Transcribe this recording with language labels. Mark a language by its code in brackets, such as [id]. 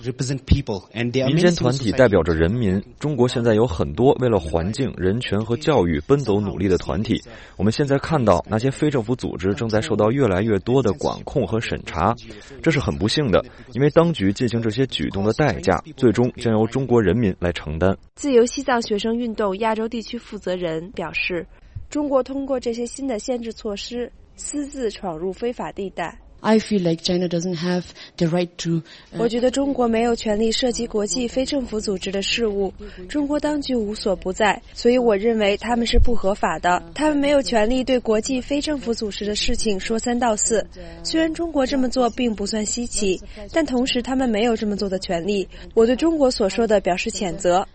[zh] 民间团体代表着人民，中国现在有很多为了环境、人权和教育奔走努力的团体，我们现在看到那些非政府组织正在受到越来越多的管控和审查，这是很不幸的，因为当局进行这些举动的代价最终将由中国人民来承担。自由西藏学生运动亚洲地区负责人表示，中国通过这些新的限制措施私自闯入非法地带。 [en] I feel like China doesn't have the right to, [zh] 我觉得中国没有权利涉及国际非政府组织的事务，中国当局无所不在，所以我认为他们是不合法的，他们没有权利对国际非政府组织的事情说三道四。虽然中国这么做并不算稀奇，但同时他们没有这么做的权利，我对中国所说的表示谴责。